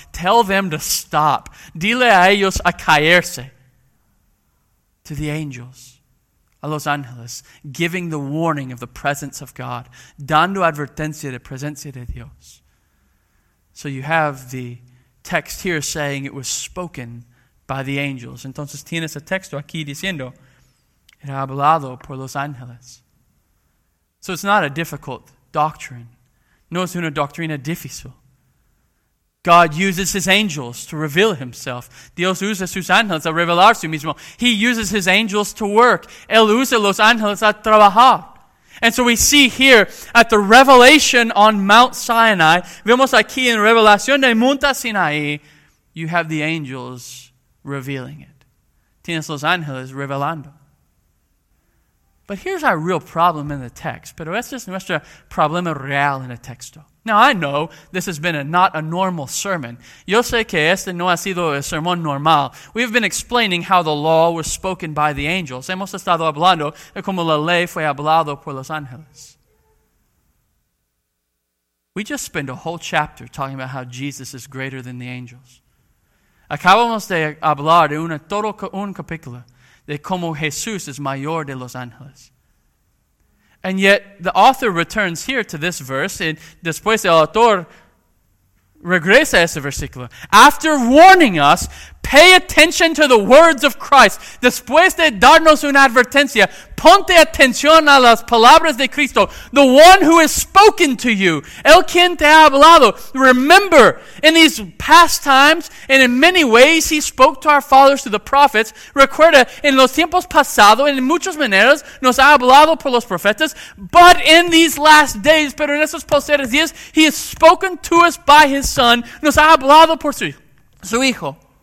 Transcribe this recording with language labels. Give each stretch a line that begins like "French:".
English: Tell them to stop.
Spanish: Dile a ellos a caerse.
English: To the angels,
Spanish: a los ángeles,
English: giving the warning of the presence of God,
Spanish: dando advertencia de presencia de Dios.
English: So you have the text here saying it was spoken by the angels.
Spanish: Entonces tienes el texto aquí diciendo, era hablado por los ángeles.
English: So it's not a difficult doctrine.
Spanish: No es una doctrina difícil.
English: God uses his angels to reveal himself.
Spanish: Dios usa sus ángeles a revelar su mismo.
English: He uses his angels to work.
Spanish: Él usa los ángeles a trabajar.
English: And so we see here at the revelation on Mount Sinai,
Spanish: vemos aquí en revelación de Monte Sinaí,
English: you have the angels revealing it.
Spanish: Tienes los ángeles revelando.
English: But here's our real problem in the text.
Spanish: Pero este es nuestro problema real en el texto.
English: Now, I know this has been not a normal sermon.
Spanish: Yo sé que este no ha sido el sermón normal.
English: We've been explaining how the law was spoken by the angels.
Spanish: Hemos estado hablando de cómo la ley fue hablado por los ángeles.
English: We just spend a whole chapter talking about how Jesus is greater than the angels.
Spanish: Acabamos de hablar de un capítulo de cómo Jesús es mayor de los ángeles.
English: And yet, the author returns here to this verse, and
Spanish: después el autor regresa a ese versículo.
English: After warning us, pay attention to the words of Christ.
Spanish: Después de darnos una advertencia, ponte atención a las palabras de Cristo,
English: the one who has spoken to you,
Spanish: el quien te ha hablado.
English: Remember, in these past times, and in many ways, he spoke to our fathers through the prophets.
Spanish: Recuerda, en los tiempos pasados, en muchas maneras, nos ha hablado por los profetas.
English: But in these last days,
Spanish: pero en estos posteriores días,
English: he has spoken to us by his Son,
Spanish: nos ha hablado por su Hijo.